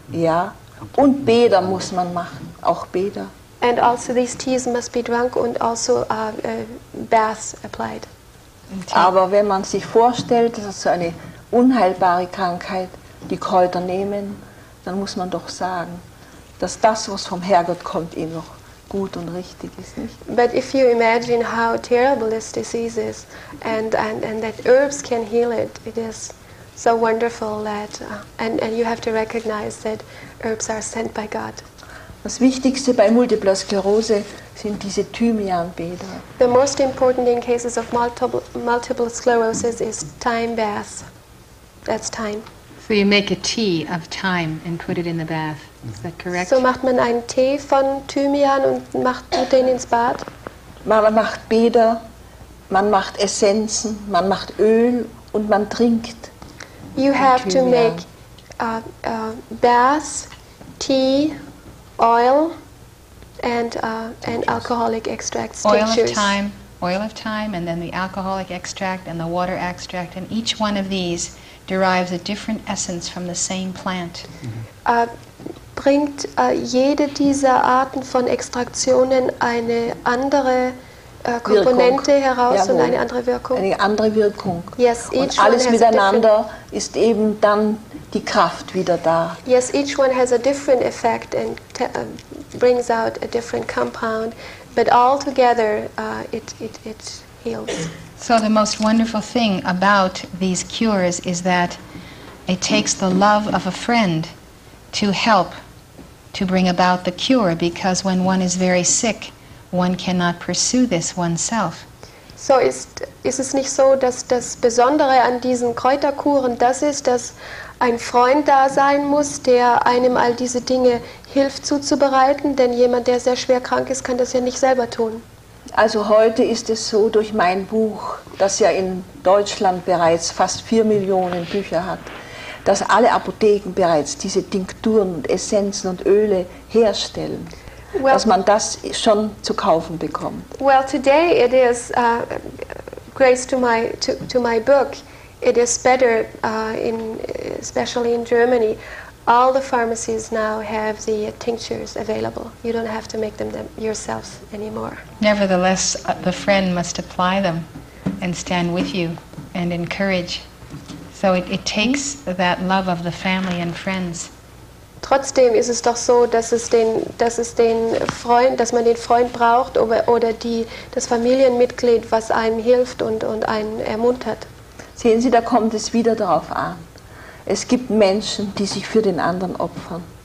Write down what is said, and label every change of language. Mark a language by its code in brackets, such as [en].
[de] Ja, und Bäder muss man machen, auch Bäder. [en] And also these teas must be drunk, and also baths applied. [de] Aber wenn man sich vorstellt, dass es so eine unheilbare Krankheit, die Kräuter nehmen, dann muss man doch sagen, dass das, was vom Herrgott kommt, eben noch gut und richtig ist, nicht? [en] But if you imagine how terrible this disease is and that herbs can heal it, it is so wonderful that and you have to recognize that herbs are sent by God. [de] Das Wichtigste bei Multiple Sklerose sind diese Thymianbäder. [en] The most important in cases of multiple sclerosis is thyme bath. That's thyme. So you make a tea of thyme and put it in the bath. Is that correct? [de] So macht man einen Tee von Thymian und macht den ins Bad. Man macht Bäder, man macht Essenzen, man macht Öl und man trinkt. [en] You have to make a bath, tea, oil and alcoholic extracts. Oil of thyme, and then the alcoholic extract and the water extract, and each one of these derives a different essence from the same plant. [de] Bringt jede dieser Arten von Extraktionen eine andere Komponente Wirkung. Heraus Jawohl. Und eine andere Wirkung? Eine andere Wirkung. [en] Yes, [de] und alles miteinander ist eben dann die Kraft wieder da. [en] Yes, each one has a different effect and brings out a different compound, but all together it heals. So the most wonderful thing about these cures is that it takes the love of a friend to help to bring about the cure, because when one is very sick, one cannot pursue this oneself. [de] So ist es nicht so, dass das Besondere an diesen Kräuterkuren das ist, dass ein Freund da sein muss, der einem all diese Dinge hilft zuzubereiten, denn jemand, der sehr schwer krank ist, kann das ja nicht selber tun. Also heute ist es so, durch mein Buch, das ja in Deutschland bereits fast 4 Millionen Bücher hat, dass alle Apotheken bereits diese Tinkturen und Essenzen und Öle herstellen, well, dass man das schon zu kaufen bekommt. [en] Well, today it is, grace to my book, it is better, in especially in Germany, all the pharmacies now have the tinctures available. You don't have to make them yourself anymore. Nevertheless, the friend must apply them and stand with you and encourage. So it takes that love of the family and friends. [de] Trotzdem ist es doch so, dass man den Freund braucht oder das Familienmitglied, was einem hilft und einen ermuntert. Sehen Sie, da kommt es wieder darauf an. Es gibt Menschen, die sich für den anderen opfern.